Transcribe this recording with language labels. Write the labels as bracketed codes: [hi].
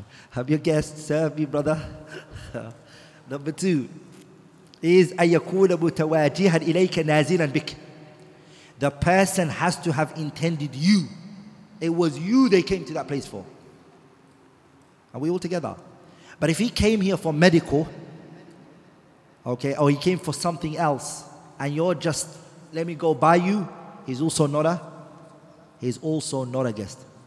[en] Have your guest serve me, brother. Number two is [ar] أَيَّكُونَ مُتَوَاجِهًا إِلَيْكَ نَازِلًا بِكَ. [en] The person has to have intended you. It was you they came to that place for. Are we all together? But if he came here for medical, okay, or he came for something else, and you're just, let me go by you, he's also not a guest.